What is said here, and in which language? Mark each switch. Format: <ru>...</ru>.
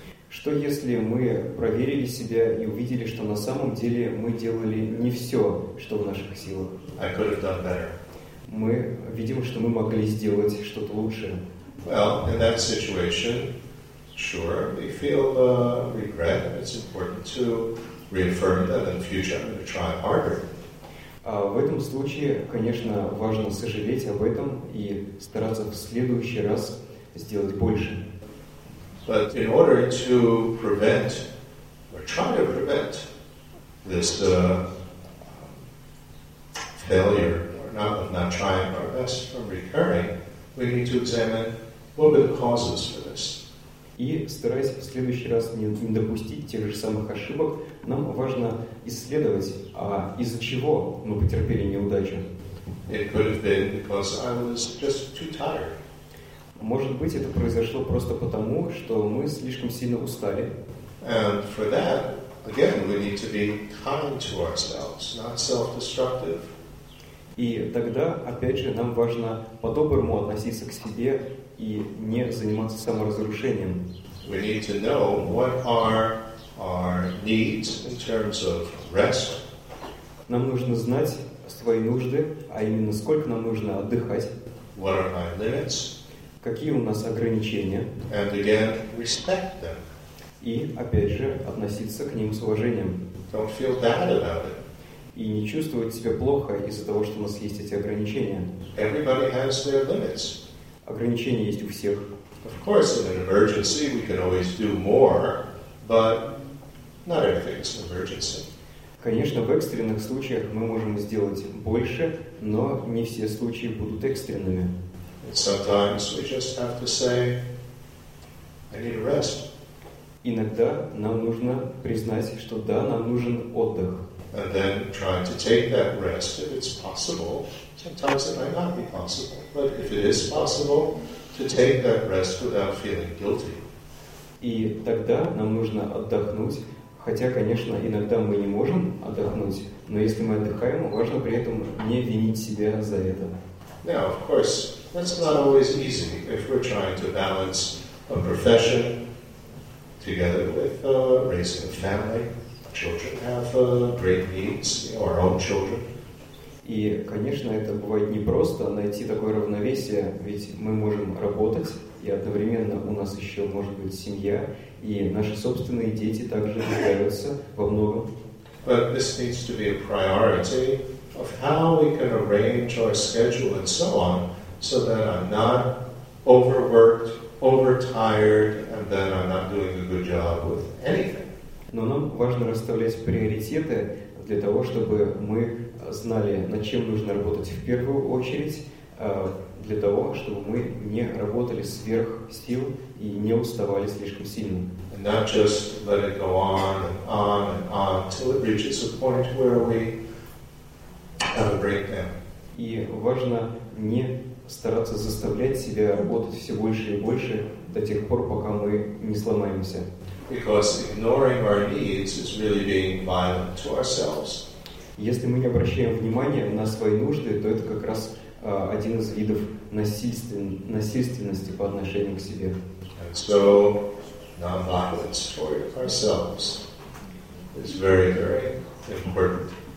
<ru>Что если мы проверили себя и увидели, что на самом деле мы делали не все, что в наших силах?</ru> <en>I could have done better.</en> <ru>Мы видим, что мы могли сделать что-то лучше.</ru> <en>Well, in that situation, sure, we feel regret. It's important to reaffirm that in the future I'm going to try harder.</en> <ru>В этом случае, конечно, важно сожалеть об этом и стараться в следующий раз сделать больше.</ru> <en>But in order to prevent, or try to prevent, this failure, or not trying our best from recurring, we need to examine what were the causes for this.</en> <ru>И стараясь в следующий раз не допустить тех же самых ошибок, нам важно исследовать, а из-за чего мы потерпели неудачу.</ru> <en>It could have been because I was just too tired.</en> <ru>Может быть, это произошло просто потому, что мы слишком сильно устали.</ru> <en>And for that, again, we need to be kind to ourselves, not self-destructive.</en> <ru>И тогда, опять же, нам важно по-доброму относиться к себе и не заниматься саморазрушением.</ru> <en>We need to know what are our needs in terms of rest.</en> <ru>Нам нужно знать свои нужды, а именно сколько нам нужно отдыхать.</ru> <en>What are my limits?</en> <ru>Какие у нас ограничения?</ru> <en>And again, respect them.</en> <ru>И, опять же, относиться к ним с уважением.</ru> <en>Don't feel bad about it.</en> <ru>И не чувствовать себя плохо из-за того, что у нас есть эти ограничения.</ru> <en>Everybody has their limits.</en> <ru>Ограничения есть у всех.</ru> <en>Of course, in an emergency, we can always do more, but not everything is an emergency.</en> <ru>Конечно, в экстренных случаях мы можем сделать больше, но не все случаи будут экстренными.</ru> <en>And sometimes we just have to say, I need a rest.</en> <ru>Иногда нам нужно признать, что да, нам нужен отдых.</ru> <en>And then try to take that rest if it's possible. Sometimes it might not be possible, but if it is possible, to take that rest without feeling guilty.</en> <ru>И тогда нам нужно отдохнуть, хотя, конечно, иногда мы не можем отдохнуть, но если мы отдыхаем, важно при этом не винить себя за это.</ru> <en>Now, of course, that's not always easy if we're trying to balance a profession together with raising a family. Children have great needs, our own children.</en> <ru>И, конечно, это бывает непросто найти такое равновесие, ведь мы можем работать, и одновременно у нас еще может быть семья, и наши собственные дети также нуждаются во многом.</ru> <en>But this needs to be a priority of how we can arrange our schedule and so on, so that I'm not overworked, overtired, and then I'm not doing a good job with anything.</en> <ru>Но нам важно расставлять приоритеты для того, чтобы мы знали, над чем нужно работать в первую очередь, для того, чтобы мы не работали сверх сил и не уставали слишком сильно.</ru> <en>And not just let it go on and on and on till it reaches a point where we have a breakdown.</en> <ru>И важно не стараться заставлять себя работать все больше и больше до тех пор, пока мы не сломаемся.</ru> <en>Because ignoring our needs is really being violent to ourselves.</en> <ru>Если мы не обращаем внимания на свои нужды, то это как раз один из видов насильственности по отношению к себе.</ru> <en>And so, non-violence toward ourselves is very, very important.</en>